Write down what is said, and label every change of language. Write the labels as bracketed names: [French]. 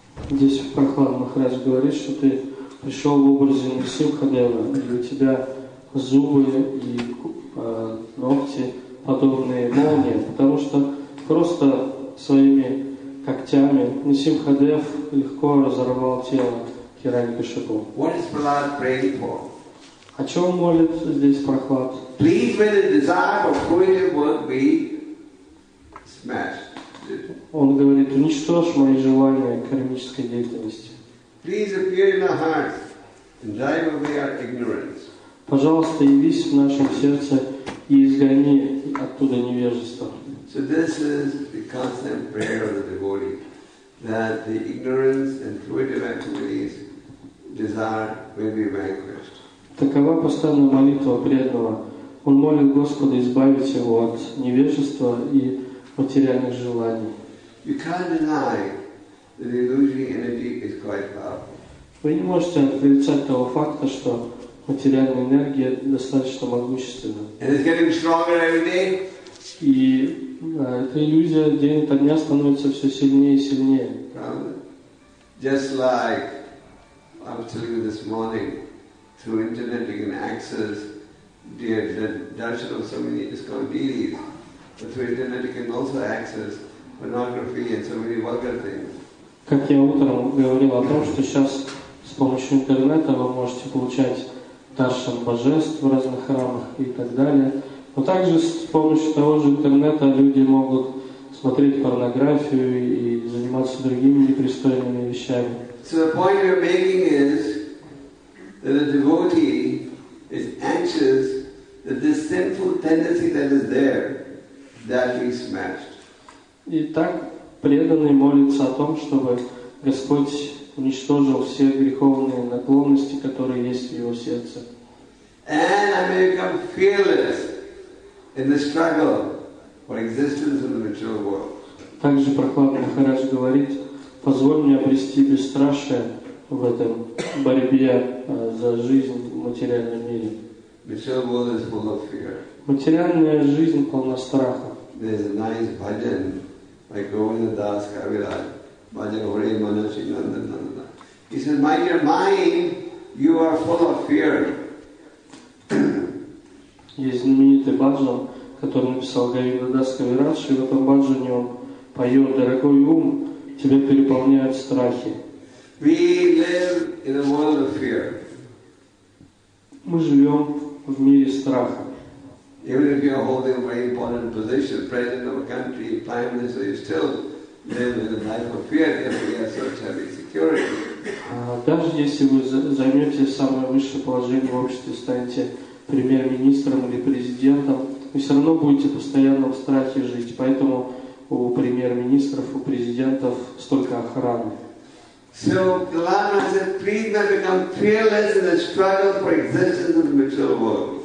[Russian] здесь Прохлад Махарадж говорит, что ты пришел в образе Нарсимха Дева, и у тебя зубы и ногти подобные молнии, потому что просто своими когтями Нарсимха Дев легко разорвал тело Хиранья-Кашипу. [English] What is Prahlad praying for? [Russian] О чем молит здесь Прохлад? [English] Please may the desire of creative work be smashed. [Russian] Он говорит, уничтожь мои желания кармической деятельности. [English] Please appear in our hearts and drive away our ignorance. [Russian] Пожалуйста, явись в нашем сердце и изгони оттуда невежество. [English] So this is the constant prayer of the devotee, that the ignorance and fruitive activities desire will be vanquished. [Russian] Такова постоянная молитва преданного. Он молит Господа избавить его от невежества и материальных желаний. [English] You can't deny that the illusory energy is quite powerful. [Russian] Вы не можете отрицать того факта, что материальная энергия достаточно могущественна. [English] And it's getting stronger every day. [Russian] И эта иллюзия день ото дня становится все сильнее и сильнее. [English] Just like I was telling you this morning, through internet you can access the darshan of so many ISKCON deities. But through internet you can also access pornography and so many vulgar things. [Russian] Как я утром говорил о том, что сейчас с помощью интернета вы можете получать даршан божеств в разных храмах и так далее. Но также с помощью того же интернета люди могут смотреть порнографию и заниматься другими непристойными вещами. [English] So the point you're making is that a devotee is anxious that this sinful tendency that is there, that be smashed. [Russian] Итак, преданный молится о том, чтобы Господь уничтожил все греховные наклонности, которые есть в его сердце. [English] And I may become fearless in the struggle for existence in the material world. [Russian] Также Прохлад Махарадж говорит: позволь мне обрести бесстрашие в этом борьбе за жизнь в материальном мире. [English] Material world is full of fear. [Russian] Материальная жизнь полна страха. [English] There's a nice bhajan by Govinda Das Kaviraj. Bhajan Hore Manasi Nandan Nandana. He says, my dear mind, you are full of fear. [Russian] Есть знаменитый бхаджан, который написал Говинда Дас Кавирадж, и в этом бхаджане он поет: дорогой ум, тебя переполняют страхи. [English] We live in a world of fear. [Russian] Мы живем в мире страха. [English] Even if you are holding a very important position, president of a country, prime minister, you still live in a life of fear if you have such heavy security. [Russian] Даже если вы займете самое высшее положение в обществе, станете премьер-министром или президентом, вы все равно будете постоянно в страхе жить. Поэтому у премьер-министров, у президентов столько охраны. [English] So the Lama said, please not become fearless in the struggle for existence in the material world.